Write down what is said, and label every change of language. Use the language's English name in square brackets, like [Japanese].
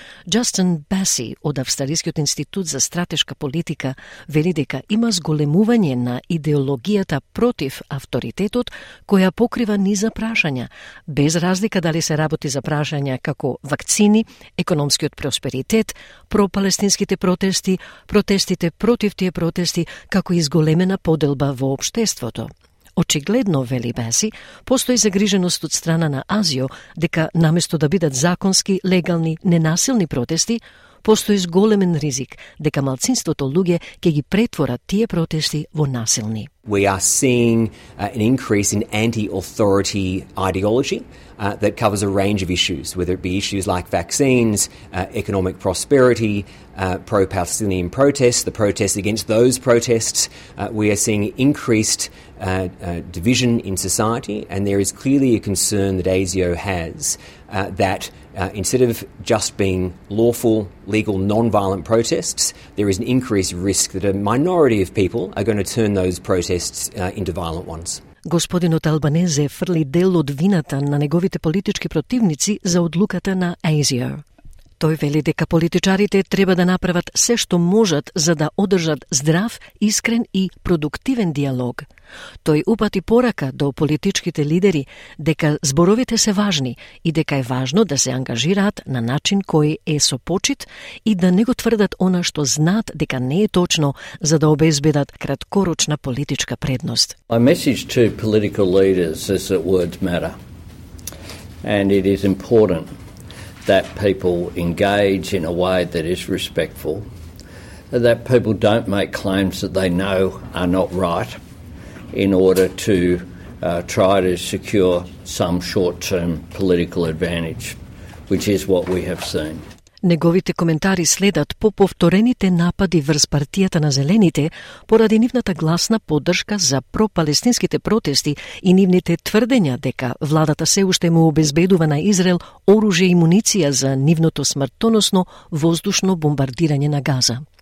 [Macedonian] Джастин Баси од Австралијскиот институт за стратешка политика вели дека има зголемување на идеологијата против авторитетот која покрива низа прашања, без разлика дали се работи за прашања како вакцини, економскиот просперитет, пропалестинските протести, протестите против тие протести, како и зголемена поделба во општеството. Очигледно, вели Баси, постои загриженост од страна на Азио дека наместо да бидат законски, легални, ненасилни протести, постои зголемен ризик дека малцинството луѓе ќе ги претворат тие протести во насилни. [English] We are seeing an increase in anti-authority ideology that covers a range of issues, whether it be issues like vaccines, economic prosperity, pro-Palestinian protests, the protests against those protests. We are seeing increased division in society, and there is clearly a concern that ASIO has that instead of just being lawful, legal, non-violent protests, there is an increased risk that a minority of people are going to turn those protests into violent ones. [Macedonian] Господинот Албанезе фрли дел од вината на неговите политички противници за одлуката на ASIO. Тој вели дека политичарите треба да направат се што можат за да одржат здрав, искрен и продуктивен диалог. Тој упати порака до политичките лидери дека зборовите се важни и дека е важно да се ангажираат на начин кој е со почит и да не го тврдат она што знаат дека не е точно за да обезбедат краткорочна политичка предност. [English] My message to political leaders is that words matter. And it is important that people engage in a way that is respectful, that people don't make claims that they know are not right in order to try to secure some short-term political advantage, which is what we have seen. [Macedonian] Неговите коментари следат по повторените напади врз партијата на Зелените поради нивната гласна поддршка за пропалестинските протести и нивните тврдења дека владата се уште му обезбедува на Израел оружје и муниција за нивното смртоносно воздушно бомбардирање на Газа.